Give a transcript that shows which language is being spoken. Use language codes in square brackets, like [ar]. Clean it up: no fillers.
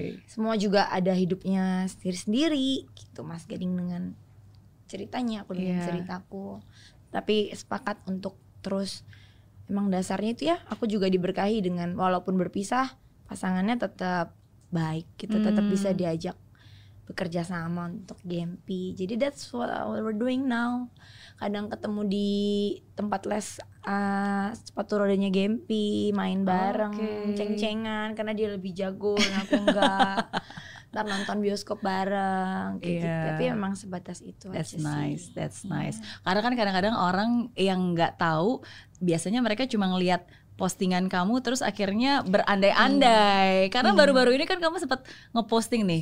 [id] Semua juga ada hidupnya sendiri-sendiri gitu, Mas Gading dengan ceritanya, aku dengan ceritaku. Tapi sepakat untuk terus, emang dasarnya itu ya, aku juga diberkahi dengan walaupun berpisah, pasangannya tetap baik, kita tetap bisa diajak bekerja sama untuk GMP. [en] Jadi that's what we're doing now. [id] Kadang ketemu di tempat les sepatu rodanya GMP, main bareng, ceng-cengan karena dia lebih jago dan aku enggak. Ntar nonton bioskop bareng kayak gitu. Tapi memang sebatas itu [en] that's [id] aja [en] nice, [id] sih. [en] That's nice, that's nice. [id] Karena kan kadang-kadang orang yang enggak tahu, biasanya mereka cuma ngelihat postingan kamu terus akhirnya berandai-andai. Karena baru-baru ini kan kamu sempat ngeposting nih